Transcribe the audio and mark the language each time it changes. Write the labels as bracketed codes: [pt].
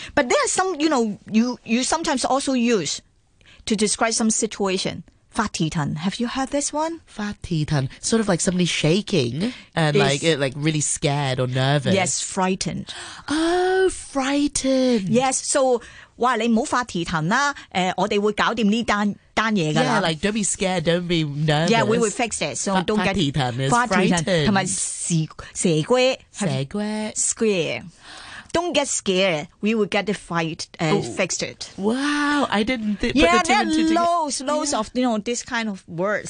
[en] But there are some, you know, you sometimes also use to describe some situation. Fa ti tan. Have you heard this one? [yue] Fa ti tan. [en] Sort of like somebody shaking and it's, like really scared or nervous. Yes, frightened. Oh, frightened. Yes, so... [yue] 哇, 你不要發蹄騰啦, 我們會搞定這件事。 [en] Yeah, like, don't be scared, don't be nervous. Yeah, we will fix it. So don't get... [yue] 發蹄騰 [en] is frightened. [yue] 還有蛇龜。 [en] Wow, I didn't think... Yeah, there are loads of, you know, this kind of words.